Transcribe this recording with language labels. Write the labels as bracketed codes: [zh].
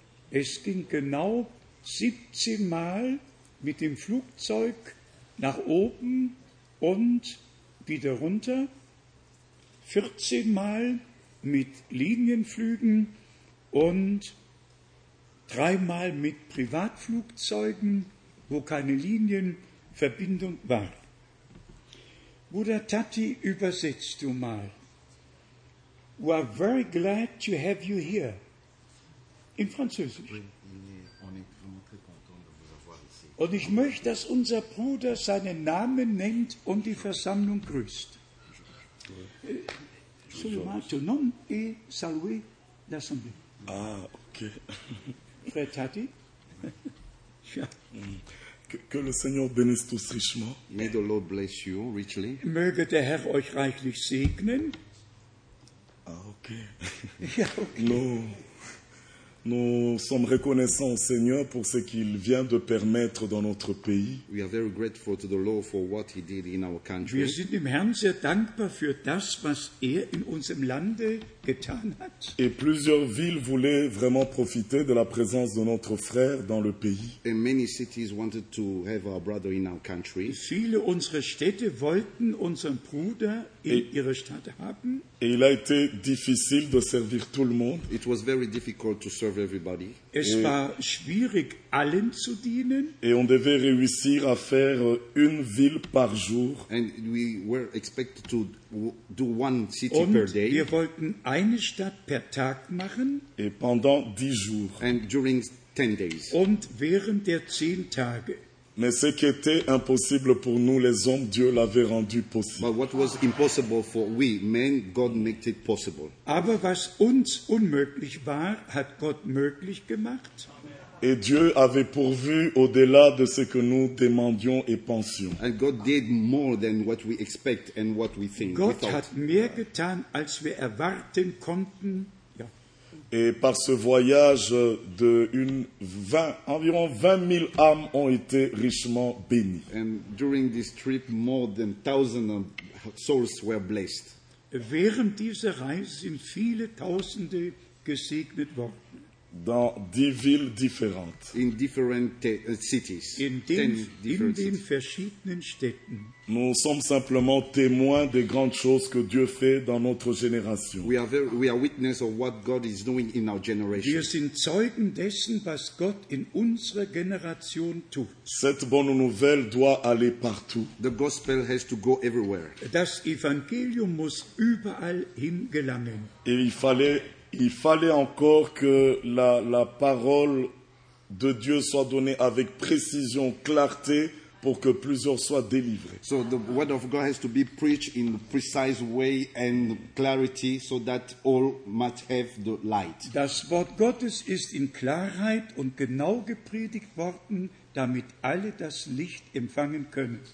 [de] Es ging genau 17 Mal mit dem Flugzeug nach oben und wieder runter, 14 Mal mit Linienflügen und 3 Mal mit Privatflugzeugen, wo keine Linienverbindung war. Bruder Tati, übersetzt du mal. [en] We are very glad to have you here. [de] In Französisch. Und ich möchte, dass unser Bruder seinen Namen nennt und die Versammlung grüßt. [fr] Seulement ton nom et saluer l'Assemblée. Ah, ok. Frère Tati. Que le Seigneur bénisse tous richement. [en] May the Lord bless you richly. [de] Möge der Herr euch reichlich segnen. Ah, ok. Ja, ok. [fr] Nous sommes reconnaissants au Seigneur pour ce qu'il vient de permettre dans notre pays. [en] We are very grateful to the Lord for what he did in our country. [de] Wir sind dem Herrn sehr dankbar für das, was in unserem Lande getan hat. [fr] Et plusieurs villes voulaient vraiment profiter de la présence de notre frère dans le pays. [en] And many cities wanted to have our brother in our country. [de] Viele unserer Städte wollten unseren Bruder in ihre Stadt haben. [fr] Et il a été difficile de servir tout le monde. [en] It was very difficult to serve everybody. [de] Es war schwierig, allen zu dienen. [fr] Et on devait réussir à faire une ville par jour. [en] And we were expected to do one city [de] und [en] per day. [de] Wir wollten eine Stadt per Tag machen. [fr] Et pendant 10 jours. [en] And during 10 days. [de] Und während der 10 Tage. [fr] Mais ce qui était impossible pour nous, les hommes, Dieu l'avait rendu possible. [en] But what was impossible for we men, God made it possible. [de] Aber was uns unmöglich war, hat Gott möglich gemacht. [fr] Et Dieu avait pourvu au-delà de ce que nous demandions et pensions. [en] And God did more than what we expect and what we think. [de] Gott hat mehr getan, als wir erwarten konnten. [fr] Et par ce voyage de environ 20 000 âmes ont été richement bénies. [en] And during this trip, more than 1,000 souls were blessed. [de] Während dieser Reise sind viele Tausende gesegnet worden. [fr] Dans 10 villes différentes. [en] In different cities. [de] In den verschiedenen Städten. [fr] Nous sommes simplement témoins des grandes choses que Dieu fait dans notre génération. [en] We are witness of what God is doing in our generation. [de] Wir sind Zeugen dessen, was Gott in unserer Generation tut. [fr] Cette bonne nouvelle doit aller partout. [en] The gospel has to go everywhere. [de] Das Evangelium muss überall hin gelangen. [fr] Et il fallait encore que la parole de Dieu soit donnée avec précision, clarté, pour que plusieurs soient délivrés. [en] So the word of God has to be preached in a precise way and clarity, so that all might have the light. [de] Das Wort Gottes ist in Klarheit und genau gepredigt worden, damit alle das Licht empfangen können.